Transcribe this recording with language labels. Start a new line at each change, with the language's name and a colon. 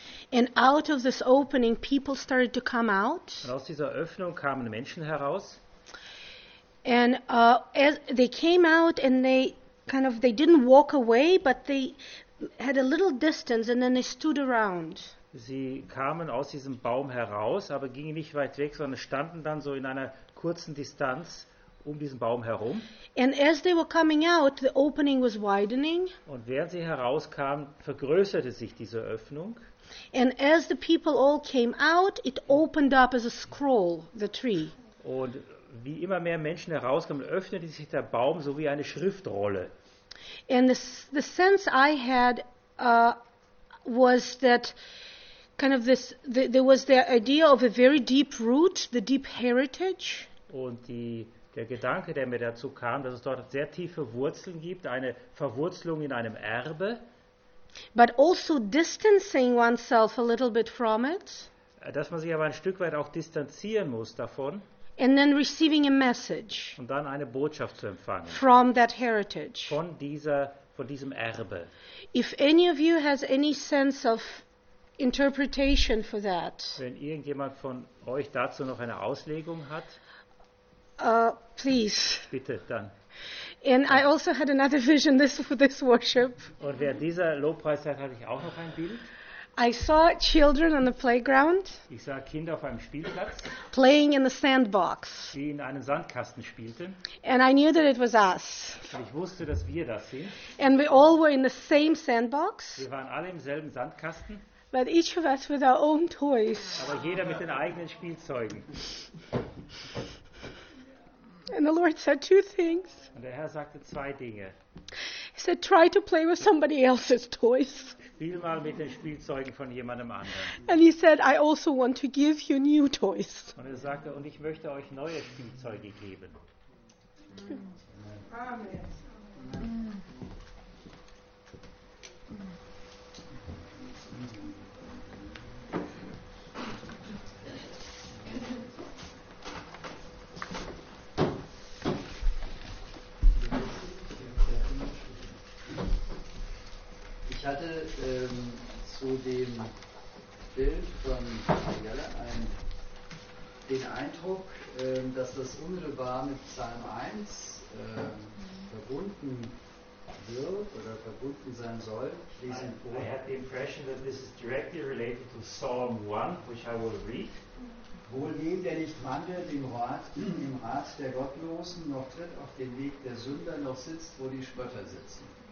English: And out of this opening, people started to come out.
German: Und aus dieser Öffnung kamen Menschen heraus.
English: And as they came out, and they kind of they didn't walk away, but they had a little distance, and then they stood around.
German: Sie kamen aus diesem Baum heraus, aber gingen nicht weit weg, sondern standen dann so in einer kurzen Distanz um diesen Baum herum.
English: And as they were coming out, the opening was widening.
German: Und während sie herauskamen, vergrößerte sich diese Öffnung.
English: And as the people all came out, it opened up as a scroll, the tree.
German: Und wie immer mehr Menschen herauskamen, öffnete sich der Baum so wie eine Schriftrolle.
English: And the sense I had was that kind of this, there was the idea of a very deep root, the deep heritage.
German: Und der Gedanke, der mir dazu kam, dass es dort sehr tiefe Wurzeln gibt, eine Verwurzelung in einem Erbe.
English: But also distancing oneself a little bit from it.
German: Dass man sich aber ein Stück weit auch distanzieren muss davon.
English: And then receiving a message.
German: Und dann eine Botschaft zu empfangen.
English: From that heritage.
German: Von diesem Erbe.
English: If any of you has any sense of interpretation for that.
German: Wenn irgendjemand von euch dazu noch eine Auslegung hat.
English: Please.
German: Bitte, dann.
English: And I also had another vision for this worship.
German: Und während dieser Lobpreiszeit hatte ich auch noch ein Bild.
English: I saw children on the playground.
German: Ich sah Kinder auf einem Spielplatz.
English: Playing in the sandbox.
German: Die in einem Sandkasten spielten.
English: And I knew that it was us.
German: Und ich wusste, dass wir das sind.
English: And we all were in the same sandbox.
German: Wir waren alle im selben Sandkasten.
English: But each of us with our own toys.
German: Aber jeder mit den eigenen Spielzeugen.
English: And the Lord said two things.
German: Und der Herr sagte zwei Dinge.
English: He said, try to play with somebody else's toys.
German: Spiel mal mit den Spielzeugen von jemandem anderen.
English: And he said, I also want to give you new toys.
German: Und er sagte, und ich möchte euch neue Spielzeuge geben. Ich hatte zu dem Bild von Ayala den Eindruck, dass das unmittelbar mit Psalm 1 verbunden wird oder verbunden sein soll.
English: I had the impression that this is directly related to Psalm 1, which I will read.
German: Wohl dem, der nicht wandelt im Rat der Gottlosen, noch tritt auf den Weg der Sünder, noch sitzt, wo die Spötter sitzen.